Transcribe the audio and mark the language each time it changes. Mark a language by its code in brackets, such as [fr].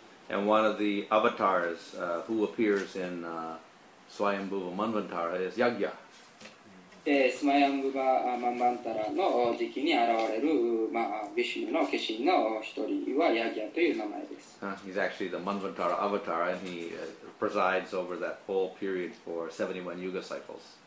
[en] And one of the avatars who appears in Swayambhuva Manvantara is Yagya. [ja] スマヤングバマンバンタラの時期に現れる、まあ、ビシュヌの化身の一人はヤギャという名前です。 [en] He's actually the Manvantara avatar and he presides over that whole period for 71 yuga cycles.